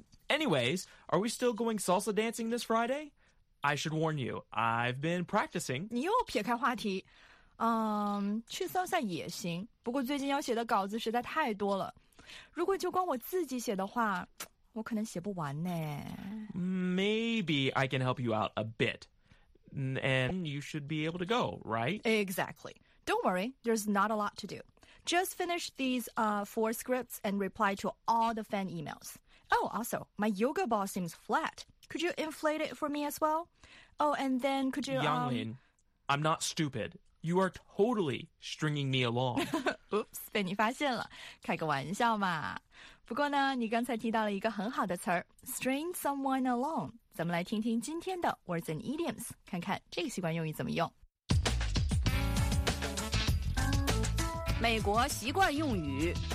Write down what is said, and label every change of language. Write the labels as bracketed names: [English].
[English] Anyways, are we still going salsa dancing this Friday? I should warn you, I've been practicing. [Chinese] 你又撇开话题。去搜下也行，不过最近要写的稿子实在太多了，如果就光我自己写的话，我可能写不完呢。 [English] Maybe I can help you out a bit, and you should be able to go, right? Exactly. Don't worry, there's not a lot to do. Just finish these four scripts and reply to all the fan emails. Oh, also, my yoga ball seems flat. Could you inflate it for me as well? Oh, and then could you... Yanglin, I'm not stupid. You are totally stringing me along. Oops, [Chinese] 被你发现了，开个玩笑嘛。不过呢，你刚才提到了一个很好的词儿 ,string someone along. 咱们来听听今天的 [English] words and idioms, [Chinese] 看看这个习惯用语怎么用。美国习惯用语